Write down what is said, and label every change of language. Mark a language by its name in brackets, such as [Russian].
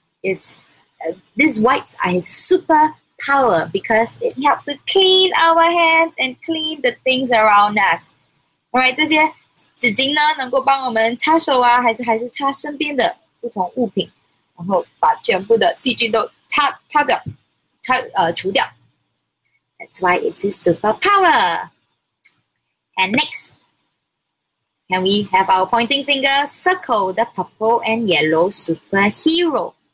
[English] It's, these wipes are his super power because it helps to clean our hands and clean the things around us. All right, [Chinese] 这些纸巾呢, 能够帮我们擦手啊, 还是擦身边的不同物品, 然后把全部的细菌都擦掉,除掉. [English] That's why it's his superpower. And next, can we have our pointing finger circle the purple and yellow superhero?